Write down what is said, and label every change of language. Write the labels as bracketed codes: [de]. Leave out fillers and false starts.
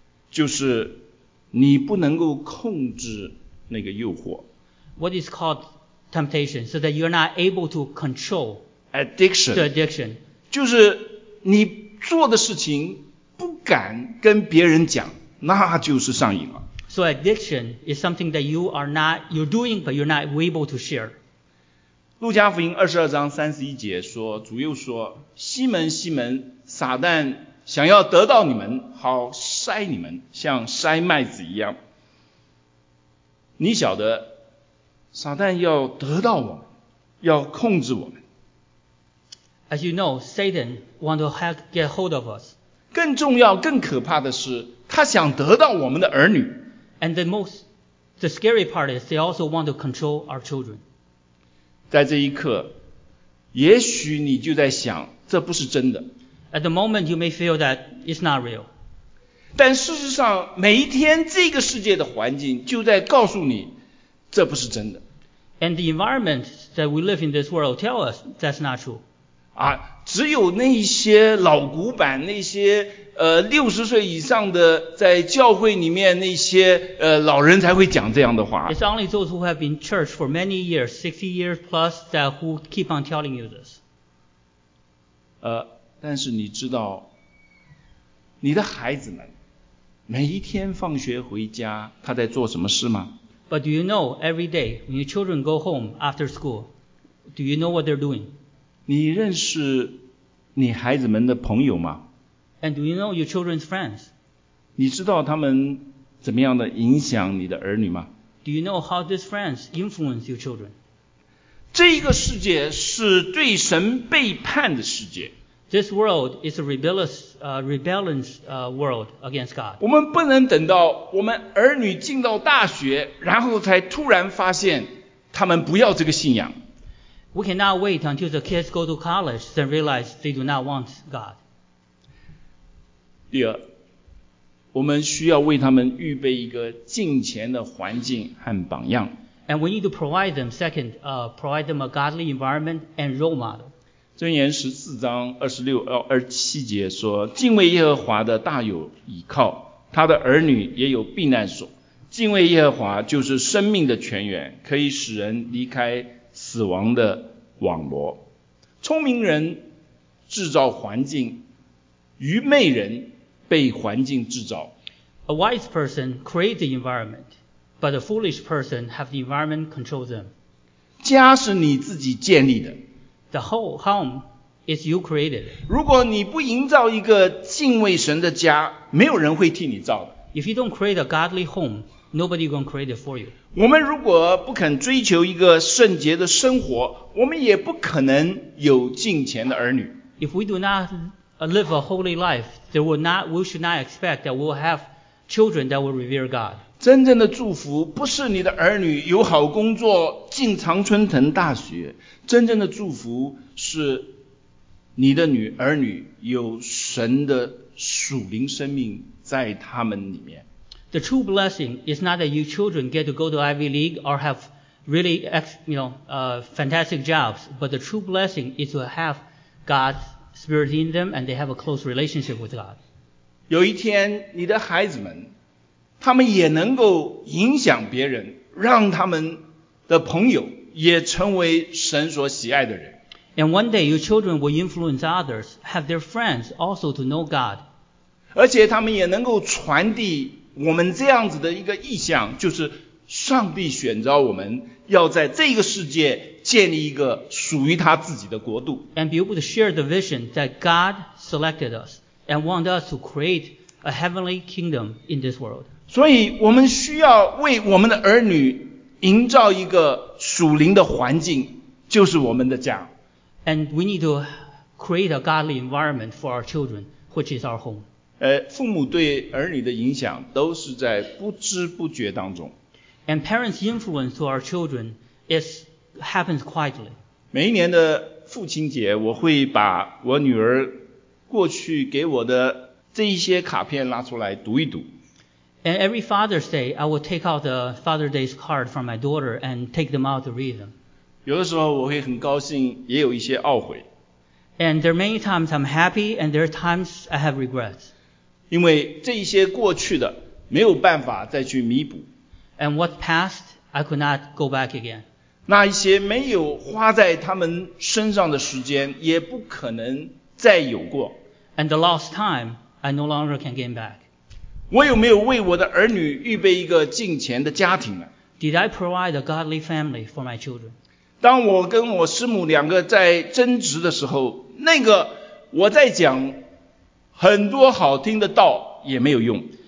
[zh] 就是你不能够控制那个诱惑。 [en] What is called temptation? So that you're not able to control addiction. The addiction. [zh] 就是你做的事情不敢跟别人讲，那就是上瘾了。 [en] So addiction is something that you are not, you're doing, but you're not able to share. [zh] 路加福音二十二章三十一节说，主又说，西门西门，撒旦想要得到你们，好筛你们，像筛麦子一样。你晓得，撒旦要得到我们，要控制我们。 [en] As you know, Satan want to get hold of us. [zh] 更重要，更可怕的是，他想得到我们的儿女。 [en] And the most, the scary part is they also want to control our children. [zh] 在这一刻，也许你就在想，这不是真的。 [en] At the moment, you may feel that it's not real. [zh] 但事实上，每一天这个世界的环境就在告诉你，这不是真的。 [en] And the environment that we live in this world tell us that's not true. [zh] 啊，只有那些老古板那些六十岁以上的在教会里面那些老人才会讲这样的话。 [en] It's only those who have been church for many years, 60 years plus, that who keep on telling you this. [zh] 但是你知道，你的孩子们每一天放学回家，他在做什么事吗 [en] ？But do you know every day when your children go home after school, do you know what they're doing? [zh] 你认识你孩子们的朋友吗？ [en] And do you know your children's friends? [zh] 你知道他们怎么样的影响你的儿女吗 [en] ？Do you know how these friends influence your children? [zh] 这一个世界是对神背叛的世界。 [en] This world is a rebellious, world against God. [zh] 我们不能等到我们儿女进到大学，然后才突然发现他们不要这个信仰。 [en] We cannot wait until the kids go to college and realize they do not want God. [zh] 第二，我们需要为他们预备一个敬虔的环境和榜样。 [en] And we need to provide them, second, provide them a godly environment and role model. [zh] 箴言十四章二十六到二十七节说，敬畏耶和华的大有倚靠，他的儿女也有避难所。敬畏耶和华就是生命的泉源，可以使人离开死亡的网罗。聪明人制造环境，愚昧人被环境制造。 [en] A wise person creates the environment, but a foolish person have the environment control them. [zh] 家是你自己建立的。 [en] The whole home is you created. [zh] 如果你不营造一个敬畏神的家，没有人会替你造的。 [en] If you don't create a godly home, nobody will create it for you. [zh] 我们如果不肯追求一个圣洁的生活，我们也不可能有敬虔的儿女。 [en] If we do not live a holy life, there will not, we should not expect that we will have children that will revere God. [zh] 真正的祝福不是你的儿女有好工作进常春藤大学，真正的祝福是你的女儿女有神的属灵生命在他们里面。 [en] The true blessing is not that your children get to go to Ivy League or have really, fantastic jobs, but the true blessing is to haveGod's spirit in them, and they have a close relationship with God. [zh] 有一天，你的孩子们，他们也能够影响别人，让他们的朋友也成为神所喜爱的人。 [en] And one day, your children will influence others, have their friends also to know God. [zh] 而且他们也能够传递我们这样子的一个意向，就是上帝选召我们要在这个世界建立一个属于他自己的国度。 [en] And be able to share the vision that God selected us and want us to create a heavenly kingdom in this world. [zh] 所以我们需要为我们的儿女营造一个属灵的环境，就是我们的家。 [en] And we need to create a godly environment for our children, which is our home. [zh] 父母对儿女的影响都是在不知不觉当中。 [en] And parents' influence to our children is happens quietly. [zh] 每一年的父亲节，我会把我女儿过去给我的这一些卡片拉出来读一读。 [en] And every Father's Day, I will take out the Father's Day card from my daughter and take them out to read them. [zh] 有的时候我会很高兴，也有一些懊悔。 [en] And there are many times I'm happy, and there are times I have regrets. [zh] 因为这一些过去的没有办法再去弥补。 [en] And what passed, I could not go back again. [zh] 那一些没有花在他们身上的时间也不可能再有过。 [en] And the lost time, I no longer can gain back. [zh] 我有没有为我的儿女预备一个敬虔的家庭呢？ [en] Did I provide a godly family for my children? [zh] 当我跟我师母两个在争执的时候，那个我在讲很多好听的道也没有用。